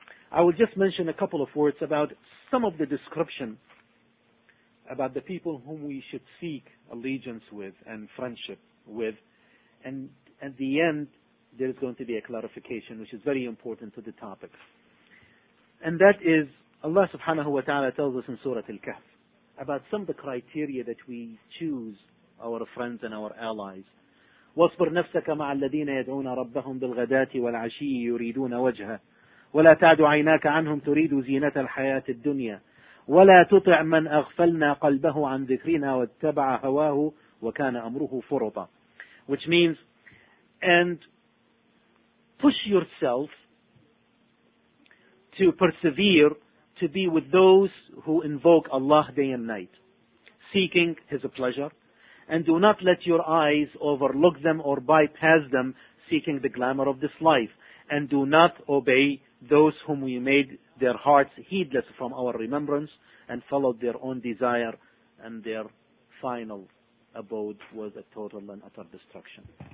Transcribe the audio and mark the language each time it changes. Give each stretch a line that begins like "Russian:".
English: I will just mention a couple of words about some of the description about the people whom we should seek allegiance with and friendship with. And at the end, there is going to be a clarification which is very important to the topic. And that is, Allah subhanahu wa ta'ala tells us in Surah Al-Kahf about some of the criteria that we choose our friends and our allies.
Arabic: وَاصْبِرْ نَفْسَكَ مَعَ الَّذِينَ يَدْعُونَ رَبَّهُمْ بِالْغَدَاةِ وَالْعَشِيِّ يُرِيدُونَ وَجْهَهُ وَلَا تَعْدُ عَيْنَاكَ عَنْهُمْ تُرِيدُ زِينَةَ الْحَيَاةِ الدُّنْيَا ولا تطع من أغفلنا قلبه عن ذكرنا واتبع هواه وكان أمره فرطا.
English: Which means, and push yourself to persevere to be with those who invoke Allah day and night, seeking His pleasure, and do not let your eyes overlook them or bypass them, seeking the glamour of this life, and do not obey those whom we made their hearts heedless from our remembrance and followed their own desire, and their final abode was a total and utter destruction.